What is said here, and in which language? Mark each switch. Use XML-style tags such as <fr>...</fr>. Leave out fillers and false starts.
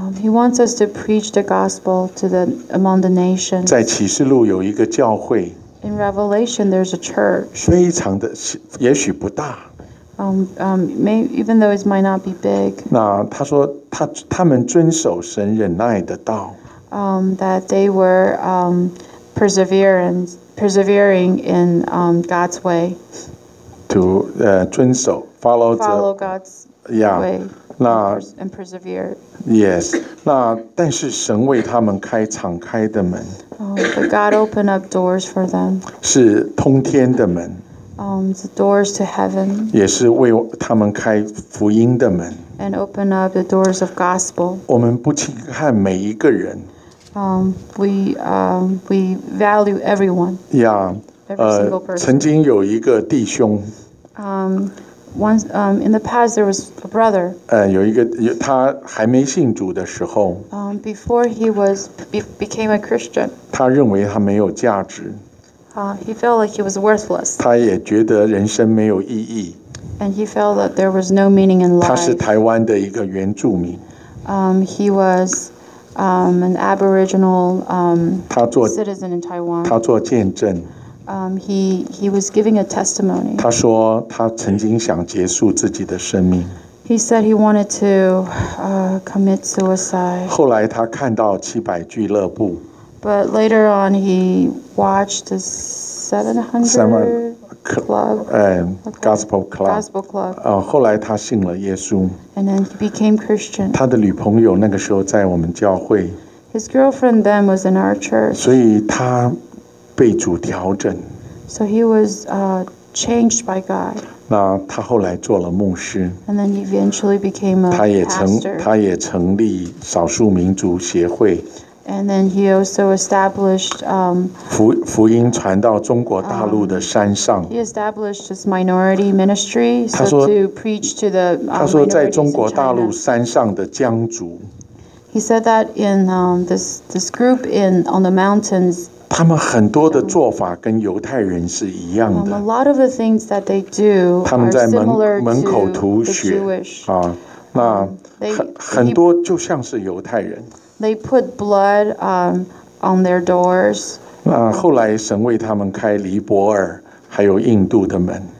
<en>He wants us to preach the gospel to the among the nations.</en> <zh>在启示录有一个教会。</zh> <en>In Revelation, there's a church.</en> <zh>非常的，也许不大。</zh> <en>Even though it might not be big.</en> <zh>那他说他们遵守神忍耐的道。</zh> <en>That they were perseverance. Persevering in God's way.</en> <zh>To 遵守</zh> <en>follow God's yeah, way. Yeah. And persevere. Yes.</en> <zh>那但是神为他们敞开的门。</zh> <en>But God opened up doors for them.</en> <zh>是通天的门。</zh> <en>The doors to heaven.</en> <zh>也是为他们开福音的门。</zh> <en>And open up the doors of gospel.</en> <zh>我们不轻看每一个人。</zh> <en>We value everyone. Yeah. Every single person.</en> <zh>曾经有一个弟兄。</zh> <en>In the past there was a brother.</en> <zh>有一个他还没信主的时候。</zh> <en>Before he was became a Christian.</en> <zh>他认为他没有价值。</zh> <en>He felt like he was worthless.</en> <zh>他也觉得人生没有意义。</zh> <en>And he felt that there was no meaning in life.</en> <zh>他是台湾的一个原住民。</zh> <en>He was. an Aboriginal citizen in Taiwan.</en> <zh>他做见证。</zh> <en>He was giving a testimony.</en> <zh>他说他曾经想结束自己的生命。</zh> <en>He said he wanted to commit suicide.</en> <zh>后来他看到七百俱乐部。</zh> <en>But later on, he watched the 700 club. Gospel club.</en> <zh>后来他信了耶稣。</zh> <en>And then he became Christian.</en> <zh>他的女朋友那个时候在我们教会。</zh> <en>His girlfriend then was in our church.</en> <zh>所以他被主调整。</zh> <en>So he was changed by God.</en> <zh>那他后来做了牧师。</zh> <en>And then he eventually became a pastor.</en> <zh>他也成立少数民族协会。</zh> <en>And then he also established</en> <zh>福音传到中国大陆的山上。</zh> <en>He established his minority ministry, so to preach to the minorities in China.</en> <zh>他说在中国大陆山上的疆族。</zh> <en>He said that in this group in on the mountains.</en> <zh>他们很多的做法跟犹太人是一样的。</zh> <en>A lot of the things that they do are similar to the Jewish.</en> <zh>那很多就像是犹太人。</zh> <en>They put blood on their doors.</en> <zh>那后来神为他们开尼泊尔，还有印度的门。</zh>